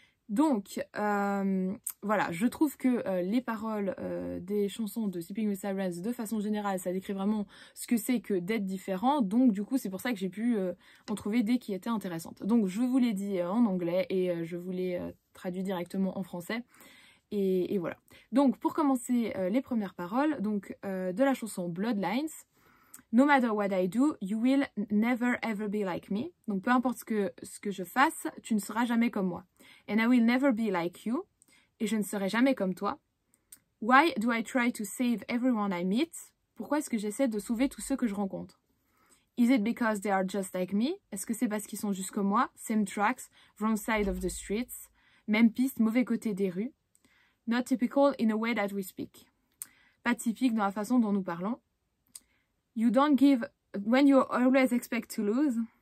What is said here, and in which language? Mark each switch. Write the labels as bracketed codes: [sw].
[fr] Donc, voilà, je trouve que les paroles des chansons de Sleeping With Sirens, de façon générale, ça décrit vraiment ce que c'est que d'être différent. Donc, du coup, c'est pour ça que j'ai pu en trouver des qui étaient intéressantes. Donc, je vous l'ai dit en anglais et je vous l'ai traduit directement en français. Et voilà. Donc, pour commencer les premières paroles, donc de la chanson Bloodlines. [en] No matter what I do, you will never ever be like me. [fr] Donc, peu importe ce que je fasse, tu ne seras jamais comme moi. [en] And I will never be like you. [fr] Et je ne serai jamais comme toi. [en] Why do I try to save everyone I meet? [fr] Pourquoi est-ce que j'essaie de sauver tous ceux que je rencontre? [en] Is it because they are just like me? [fr] Est-ce que c'est parce qu'ils sont juste comme moi? [en] Same tracks, wrong side of the streets. [fr] Même piste, mauvais côté des rues. [en] Not typical in a way that we speak. [fr] Pas typique dans la façon dont nous parlons. [en] You don't give when you always expect to lose.